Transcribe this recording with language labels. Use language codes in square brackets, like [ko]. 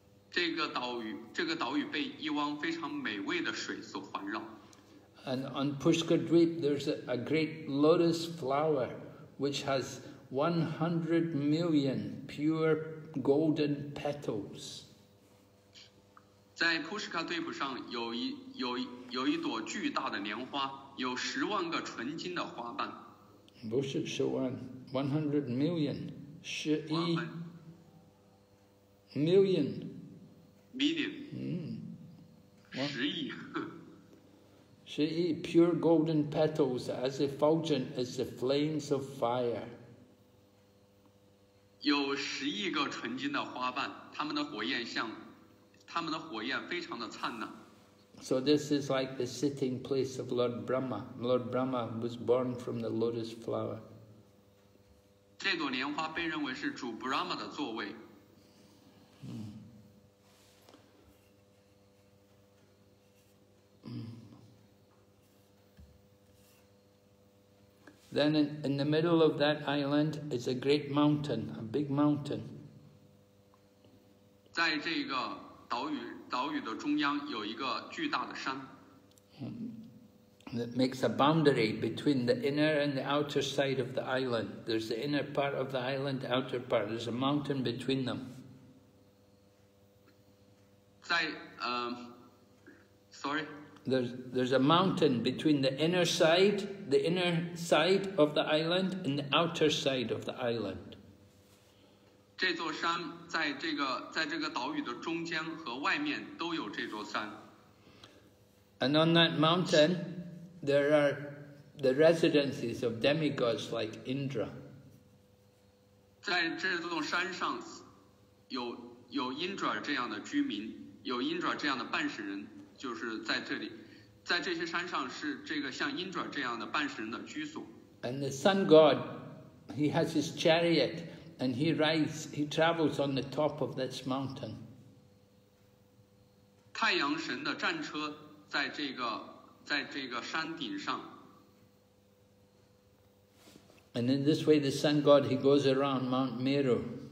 [zh] 这个岛屿被一汪非常美味的水所环绕。 [en] And on Pushkaradweep, there's a great lotus flower which has 100 million pure. Golden petals. [zh] 在 Pushkaradweep 上有一朵巨大的莲花，有十万个纯金的花瓣。不是十万， [en] 100 million, [zh] 十一。Million. [en] Million. [zh] 10亿。十亿 [en] pure golden petals as effulgent as the flames of fire. [zh] 有十亿个纯金的花瓣，它们的火焰像，它们的火焰非常的灿烂。 [en] So this is like the sitting place of Lord Brahma. Lord Brahma was born from the lotus flower. [zh] 这朵莲花被认为是主 Brahma 的座位。 [en] Then in the middle of that island is a great mountain, a big mountain. [zh] 在这个岛屿的中央有一个巨大的山。 [en] That makes a boundary between the inner and the outer side of the island. There's the inner part of the island, the outer part. There's a mountain between them. [zh] 在 [en] sorry. There's a mountain between the inner side of the island and the outer side of the island. [zh] 这座山在这个岛屿的中间和外面都有这座山。 [en] And on that mountain, there are the residences of demigods like Indra. [zh] 在这座山上有 Indra 这样的居民，有 Indra 这样的半神人，就是在这里。在这些山上是这个像英爪这样的半神的居所。 [en] And the sun god, he has his chariot, and he rides, he travels on the top of this mountain. [zh] 太阳神的战车在这个山顶上。 [en] And in this way, the sun god, he goes around Mount Meru.